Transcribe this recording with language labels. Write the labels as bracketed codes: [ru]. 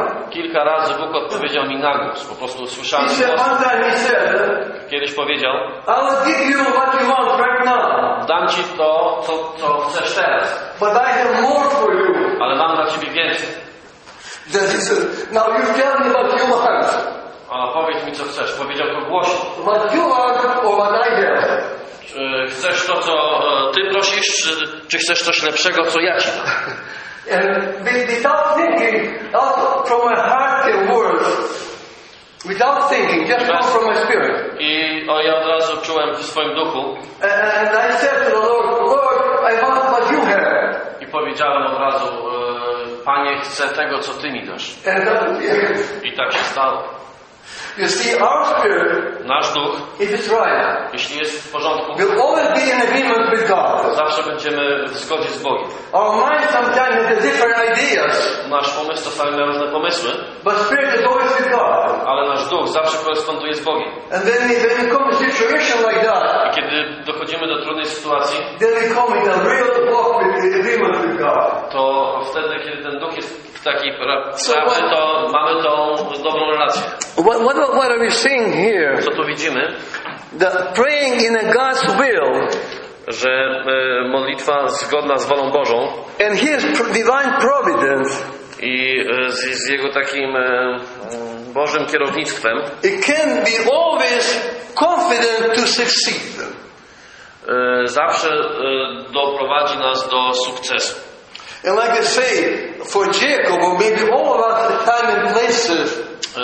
[pl] Kilka razy Bóg odpowiedział mi na głos. Po prostu słyszałem głos. [en] He said, one time he said, [pl] kiedyś powiedział, [en] I will give you what you want right now. [pl] Dam ci to, co chcesz teraz. [en] But I have more for you. [pl] Ale mam dla ciebie więcej. [en] Then he said, now you tell me what you want. [pl] A powiedz mi, co chcesz. Powiedział to głośno. [en] What you want or what I have. [pl] Czy chcesz to, co ty prosisz, czy chcesz coś lepszego, co ja ci dam? [en] And without thinking, out from my heart and words, without thinking, just out from my spirit. [pl] Ja od razu czułem w swoim duchu. [en] And I said to the Lord, Lord, I want what you have. [pl] I powiedziałem od razu, Panie, chcę tego, co Ty mi dasz. [en] And [pl] I tak się stało. [en] You see, our spirit, [pl] nasz duch, [en] if it's right, [pl] jeśli jest w porządku, [en] will always be in agreement with God. [pl] Zawsze będziemy w zgodzie z Bogiem. [en] Our mind sometimes has different ideas. [pl] Nasz umysł czasami ma różne pomysły. [en] But spirit is always with God. [pl] Ale nasz duch zawsze koresponduje z Bogiem. [en] And then when we come to a situation like that, [pl] i kiedy dochodzimy do trudnej sytuacji, [en] then we come in a real walk with the agreement with God. [pl] To wtedy, kiedy ten duch jest taki prawdziwy, to mamy tą dobrą relację. [en] What are we seeing here? [pl] Co tu widzimy? [en] That praying in God's will, [pl] że modlitwa zgodna z wolą Bożą, [en] and His divine providence, [pl] i z jego takim Bożym kierownictwem, [en] it can be always confident to succeed. [pl] Zawsze doprowadzi nas do sukcesu. [en] And like I say, for Jacob, maybe all of us, time and places.